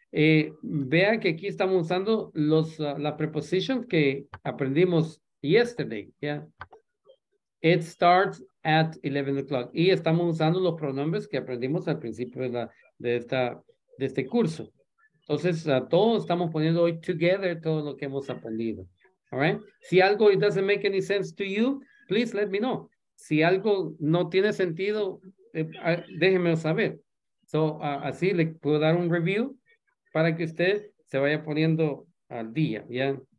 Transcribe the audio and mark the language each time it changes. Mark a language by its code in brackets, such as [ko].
[es] Vea que aquí estamos usando la preposición que aprendimos [en] yesterday. Yeah? It starts at 11 o'clock. [es] Y estamos usando los pronombres que aprendimos al principio de este curso. Entonces, a todos estamos poniendo hoy [en] together [es] todo lo que hemos aprendido. [en] All right? [es] Si algo [en] it doesn't make any sense to you, please let me know. [es] Si algo no tiene sentido, déjenme saber. [en] So, [es] así le puedo dar un review para que usted se vaya poniendo al día, ¿ya?